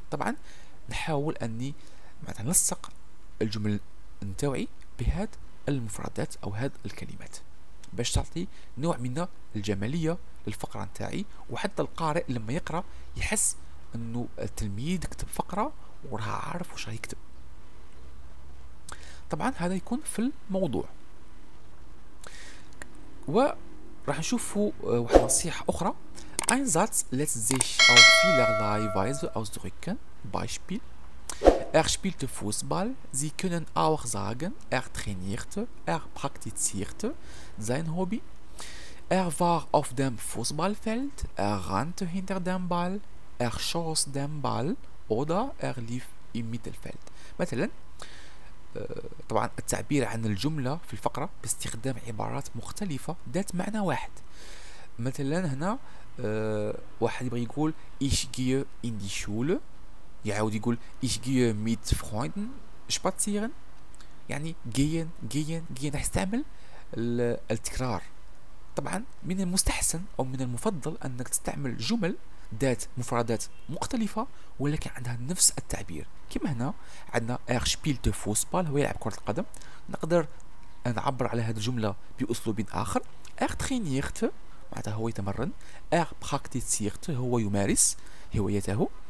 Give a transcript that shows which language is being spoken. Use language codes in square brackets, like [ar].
[ar] طبعا نحاول أني معناتها نلصق الجمل نتاعي بهاد المفردات أو هاد الكلمات باش تعطي نوع من الجمالية للفقرة نتاعي وحتى القارئ لما يقرأ يحس انه التلميذ كتب فقرة وراه عارف وش هيكتب. طبعا هذا يكون في الموضوع. وراح نشوفوا واحد نصيحة اخرى. [de] Ein Satz lässt sich auf vielerlei Weise ausdrücken. Beispiel: Er spielte Fußball. Sie können auch sagen, er trainierte, er praktizierte sein Hobby. Er war auf dem Fußballfeld, er rannte hinter dem Ball, er schoss den Ball oder er lief im Mittelfeld. [ar] مثلا طبعا التعبير عن الجملة في الفقرة باستخدام عبارات مختلفة ذات معنى واحد. مثلا هنا واحد يبغى يقول [de] Ich gehe in die Schule. [ar] يعود يقول [de] ich gehe mit Freunden spazieren [ar] يعني [de] gehen gehen gehen [ar] استعمل التكرار. طبعا من المستحسن او من المفضل انك تستعمل جمل ذات مفردات مختلفة ولكن عندها نفس التعبير. كما هنا عندنا [de] er spielte Fußball [ar] هو يلعب كرة القدم. نقدر نعبر على هذه الجملة باسلوب اخر [de] er trainierte [ar] معناتها هو يتمرن [de] er praktizierte [ar] هو يمارس هوايته